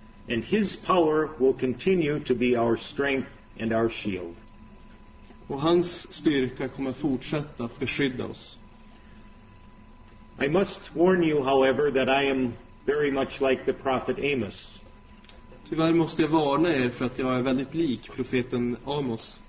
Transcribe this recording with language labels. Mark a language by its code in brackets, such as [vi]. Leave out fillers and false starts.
[en] And his power will continue to be our strength and our shield. [sv] Och hans styrka kommer fortsätta att beskydda oss. [en] I must warn you, however, that I am very much like the prophet Amos. [sv] Tyvärr måste jag varna er för att jag är väldigt lik profeten Amos.